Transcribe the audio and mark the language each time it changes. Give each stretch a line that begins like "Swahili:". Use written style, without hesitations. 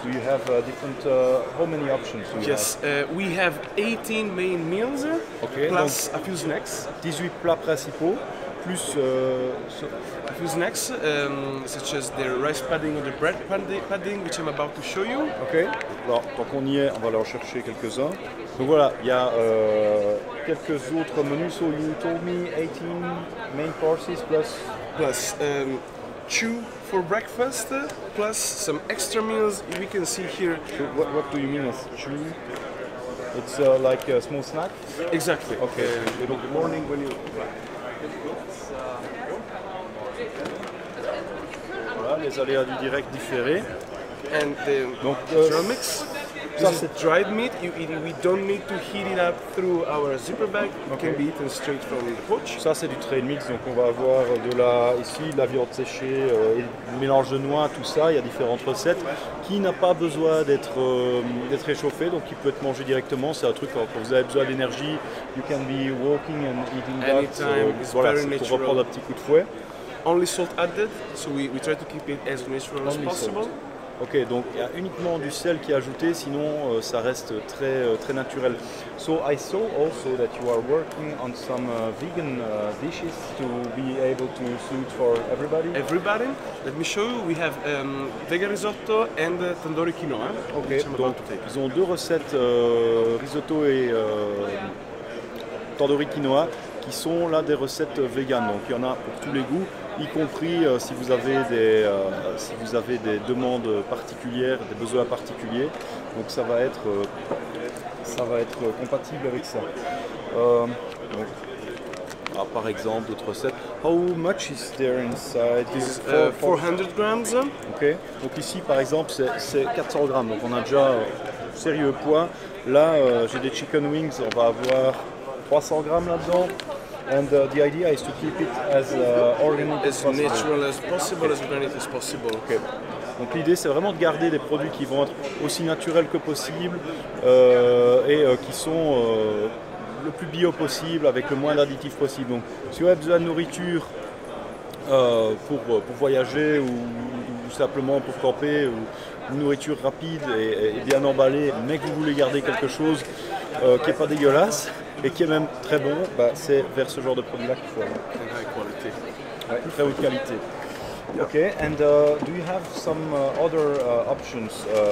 English: Do you have different how many options do you have? We have 18 main meals plus
French: donc,
English: a few snacks.
French: 18 plats principaux plus
English: a few snacks such as the rice pudding or the bread pudding which I'm about to show you. Okay.
French: Alors, tant qu'on y est, on va aller en chercher quelques-uns. Donc voilà, il y a quelques autres menus.
English: So you told me 18 main courses plus two for breakfast plus some extra meals we can see here. So what do you mean as two? It's like a small snack. Exactly. Okay. In the morning when you.
French: Voilà les aléas du direct différé.
English: And the ceramics. This is dried meat. We don't need to heat it up through our zipper bag. It can be eaten straight from the pouch.
French: Ça c'est du trail mix, donc on va avoir de la ici de la viande séchée, et un mélange de noix, tout ça. Il y a différentes recettes qui n'a pas besoin d'être réchauffé, donc qui peut être mangé directement. C'est un truc quand vous avez besoin d'énergie.
English: You can be walking and eating that. Anytime, it's
French: voilà,
English: very natural.
French: On va prendre un petit coup de fouet.
English: Only salt added, so we try to keep it as natural only as possible. Salt.
French: Ok, donc il y a uniquement du sel qui est ajouté, sinon ça reste très très naturel.
English: So I saw also that you are working on some vegan dishes to be able to suit for everybody. Everybody? Let me show you. We have vegan risotto and tandoori quinoa.
French: Ok, donc ils ont deux recettes, risotto et tandoori quinoa, qui sont là des recettes véganes. Donc il y en a pour tous les goûts, y compris si vous avez des demandes particulières, des besoins particuliers. Donc ça va être compatible avec ça. Par exemple, d'autres recettes.
English: How much is there inside? This is 400 grams.
French: Ok. Donc ici, par exemple, c'est 400 grammes. Donc on a déjà sérieux poids. Là, j'ai des chicken wings. On va avoir 300 grammes là-dedans.
English: And the idea is to keep it as organic as possible. Natural as possible, as organic as possible. Okay.
French: Donc l'idée c'est vraiment de garder des produits qui vont être aussi naturels que possible qui sont le plus bio possible avec le moins d'additifs possible. Donc si vous avez besoin de nourriture pour voyager ou simplement pour camper, ou une nourriture rapide et bien emballée, mais que vous voulez garder quelque chose qui n'est pas dégueulasse, et qui est même très bon, bah, c'est vers ce genre de produit-là qu'il faut aller. Très haute qualité. Très haute qualité.
English: Yeah. Okay, and do you have some other options?